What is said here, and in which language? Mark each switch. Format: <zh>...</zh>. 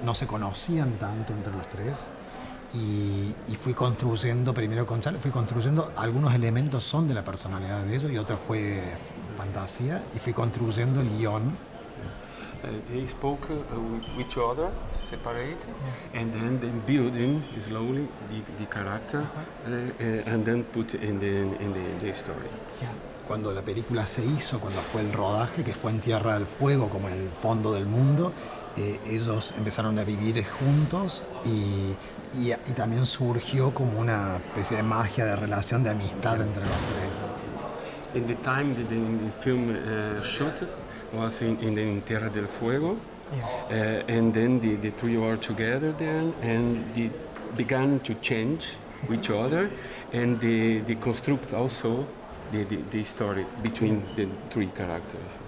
<es>No se conocían tanto entre los tres, y fui construyendo primero con Charles, fui construyendo algunos elementos son de la personalidad de ellos y otros fue fantasía y fui construyendo el guión.</es> <en>They spoke with each other, separate, yeah. and then they build in slowly the character and then put in the story. Yeah.</en> <es>Cuando la película se hizo, cuando fue el rodaje, que fue en Tierra del Fuego, como en el fondo del mundo, ellos empezaron a vivir juntos y también surgió como una especie de magia de relación, de amistad entre los tres.</es> <en>In the time that the film shot was in Tierra del Fuego, yeah. And then the three were together then and they began to change with each other and they construct also the story between the three characters.</en>